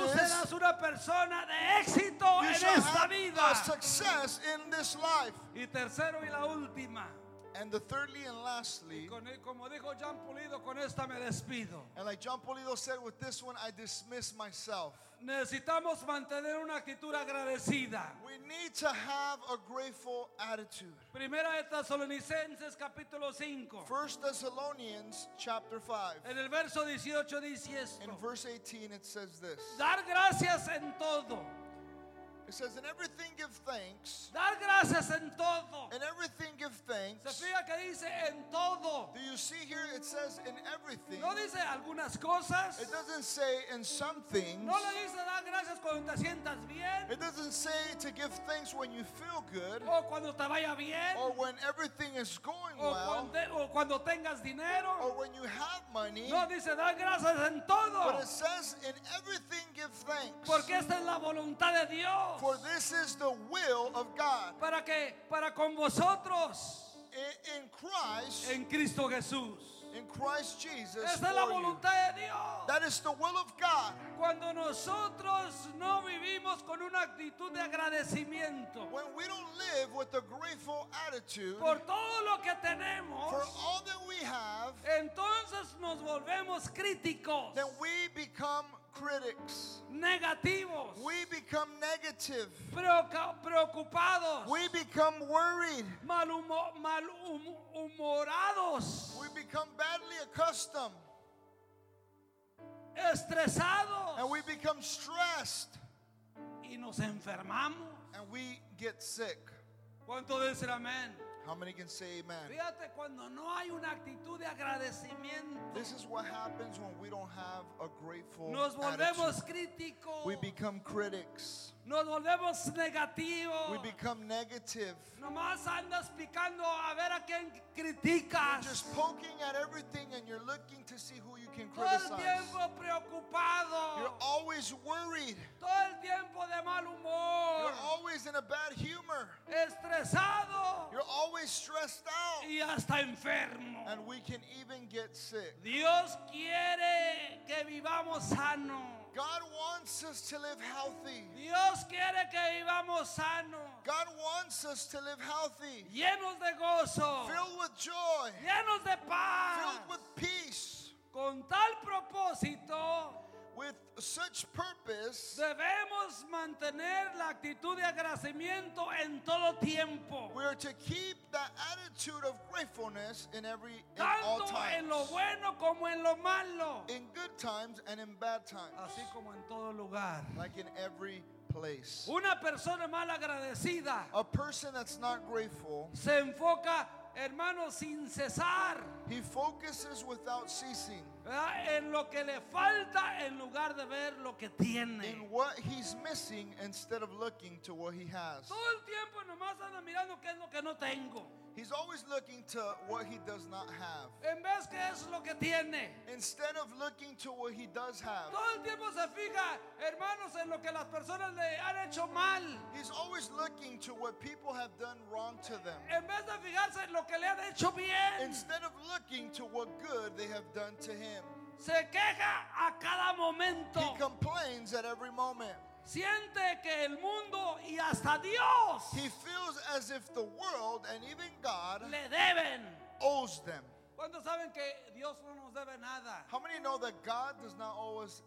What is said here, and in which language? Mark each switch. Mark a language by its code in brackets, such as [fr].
[es] Tú serás una persona de éxito en esta vida. [en] A success in this life. [es] Y tercero y la última. [en] And the thirdly and lastly. [es] Como dijo John Pulido, con esta me despido. [en] And like John Pulido said, with this one, I dismiss myself. [es] Necesitamos mantener una actitud agradecida. [en] We need to have a grateful attitude. [es] Primera de Tesalonicenses capítulo 5. [en] First Thessalonians chapter 5. [es] En el verso 18 dice esto. [en] In verse 18 it says this. [es] Dar gracias en todo. [en] It says, in everything give thanks. [es] Dar gracias en todo. [en] In everything give thanks. [es] Se fija que dice en todo. [en] Do you see here it says in everything? [es] No dice algunas cosas. [en] It doesn't say in some things. [es] No le dice dar gracias cuando te sientas bien. [en] It doesn't say to give thanks when you feel good. [es] O cuando te vaya bien. [en] Or when everything is going well. [es] O cuando tengas dinero. [en] Or when you have money. [es] No dice dar gracias en todo. [en] But it says in everything give thanks. [es] Porque esta es la voluntad de Dios. [en] For this is the will of God. [es] ¿Para qué? Para con vosotros. [en] In Christ. [es] En Cristo Jesús. [en] In Christ Jesus. [es] Esa es la voluntad de Dios. [en] That is the will of God. [es] Cuando nosotros no vivimos con una actitud de agradecimiento. [en] When we don't live with a grateful attitude. [es] Por todo lo que tenemos. [en] For all that we have. [es] Entonces nos volvemos críticos. [en] Then we become critics. [es] Negativos. [en] We become negative. [es] Preocupados. [en] We become worried. [es] Malhumorados. [en] We become badly accustomed. [es] estresados. [en] And we become stressed. [es] Y nos enfermamos. [en] And we get sick. [es] ¿Cuánto dicen amén? [en] How many can say amen? [es] Fíjate, cuando no hay una actitud de agradecimiento, [en] this is what happens when we don't have a grateful attitude. [es] Nos volvemos [en] attitude. [es] Críticos. [en] We become critics. [es] Nos volvemos negativos. [en] We become negative. [es] Nomás andas picando a ver a quién criticas. [en] You're just poking at everything and you're looking to see who you can criticize. [es] Todo el tiempo preocupado. [en] You're always worried. [es] Todo el tiempo de mal humor. [en] You're always in a bad humor. [es] Estresado. [en] You're always stressed out. [es] Y hasta enfermo. [en] And we can even get sick. [es] Dios quiere que vivamos sano. [en] God wants us to live healthy. [es] Dios quiere que vivamos sano. [en] God wants us to live healthy. [es] Llenos de gozo. [en] Filled with joy. [es] Llenos de paz. [en] Filled with peace. [es] Con tal propósito, [en] with such purpose, [es] debemos mantener la actitud de agradecimiento en todo tiempo. [en] We are to keep that attitude of gratefulness in every [es] tanto [en] in all times. [es] En lo bueno como en lo malo. [en] In good times and in bad times. [es] Así como en todo lugar. [en] Like in every place. [es] Una persona mal agradecida, [en] a person that's not grateful, [es] se enfoca, hermano, sin cesar. [en] He focuses without ceasing. [es] En lo que le falta en lugar de ver lo que tiene. [en] In what he's missing instead of looking to what he has. [es] Todo el tiempo nomás anda mirando qué es lo que no tengo. [en] He's always looking to what he does not have. [es] En vez que es lo que tiene. [en] Instead of looking to what he does have. [es] Todo el tiempo se fija, hermanos, en lo que las personas le han hecho mal. [en] He's always looking to what people have done wrong to them. [es] En vez de fijarse en lo que le han hecho bien. [en] Instead of looking to what good they have done to him. [es] Se queja a cada momento. [en] He complains at every moment. [es] Siente que el mundo y hasta Dios, [en] he feels as if the world and even God, [es] le deben, [en] owes them. [es] ¿Cuántos saben que Dios no nos debe nada? [en] How many know that God does not owe us